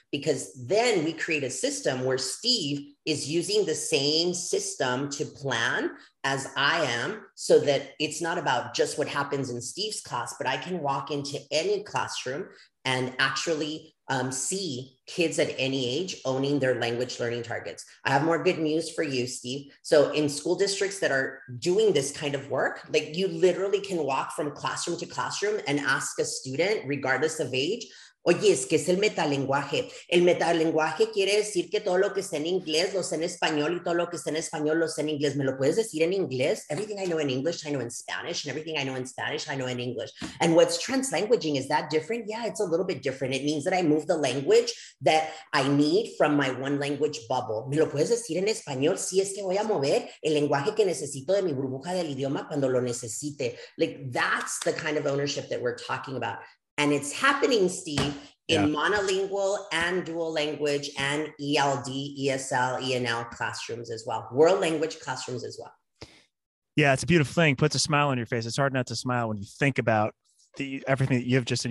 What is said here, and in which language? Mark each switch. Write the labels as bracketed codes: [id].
[en] Because then we create a system where Steve is using the same system to plan as I am, so that it's not about just what happens in Steve's class, but I can walk into any classroom and actually see kids at any age owning their language learning targets. I have more good news for you, Steve. So in school districts that are doing this kind of work, like, you literally can walk from classroom to classroom and ask a student, regardless of age, [es] oye, es que es el metalenguaje. El metalenguaje quiere decir que todo lo que está en inglés lo sé en español, y todo lo que está en español lo sé en inglés. ¿Me lo puedes decir en inglés? [en] Everything I know in English, I know in Spanish, and everything I know in Spanish, I know in English. And what's translanguaging, is that different? Yeah, it's a little bit different. It means that I move the language that I need from my one language bubble. [es] ¿Me lo puedes decir en español? Sí, es que voy a mover el lenguaje que necesito de mi burbuja del idioma cuando lo necesite. [en] Like, that's the kind of ownership that we're talking about. And it's happening, Steve, in monolingual and dual language and ELD, ESL, ENL classrooms as well. World language classrooms as well. Yeah, it's a beautiful thing. Puts a smile on your face. It's hard not to smile when you think about everything that you've just said.